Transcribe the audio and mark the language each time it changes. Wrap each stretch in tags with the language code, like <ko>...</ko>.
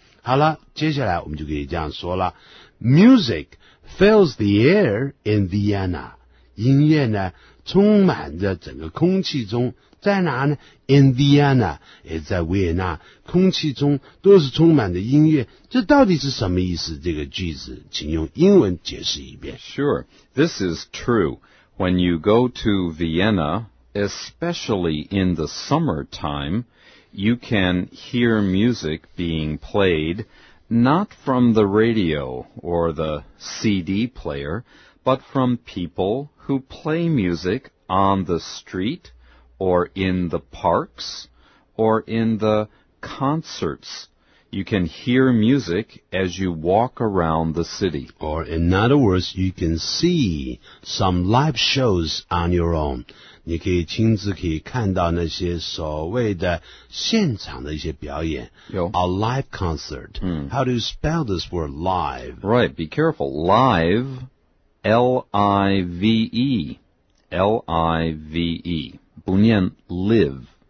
<zh>好了，接下来我们就可以这样说了 ：</zh> <en>Music fills the air in Vienna，</en> <zh>音乐呢充满着整个空气中，在哪呢 ？</zh> <en>In Vienna，</en> <zh>也在维也纳，空气中都是充满着音乐。这到底是什么意思？这个句子，请用英文解释一遍。</zh> <en>Sure, this is true. When you go to Vienna. Especially in the summertime, you can hear music being played not from the radio or the CD player, but from people who play music on the street or in the parks or in the concerts. You can hear music as you walk around the city. Or in other words, you can see some live shows on your own.</en> <zh>你可以亲自可以看到那些所谓的现场的一些表演。有</zh> <en>A live concert.、嗯、 How do you spell this word live? Right, be careful. Live, L-I-V-E, L-I-V-E,</en> <zh>不念</zh> <en>live.</en>